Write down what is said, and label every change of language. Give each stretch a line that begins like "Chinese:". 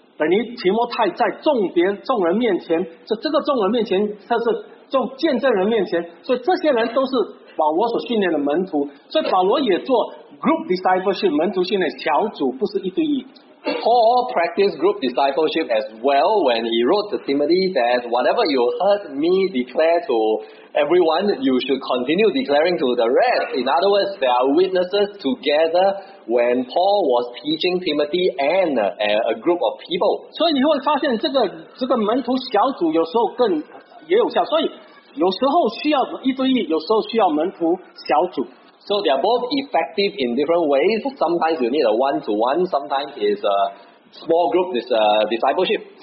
Chinese: 等于提摩太在众人面前，这个众人面前，他是众见证人面前，所以这些人都是保罗所训练的门徒，所以保罗也做 group discipleship 门徒训练小组，不是一对一。
English: Paul practiced group discipleship as well when he wrote to Timothy that whatever you heard me declare to everyone, you should continue declaring to the rest. In other words, there are witnesses together when Paul was teaching Timothy and a group of people.
Chinese: 所以你会发现这个门徒小组有时候也有效，所以有时候需要一对一，有时候需要门徒小组。
English: So they are both effective in different ways. Sometimes you need a one-to-one, sometimes it's a small group, it's a discipleship.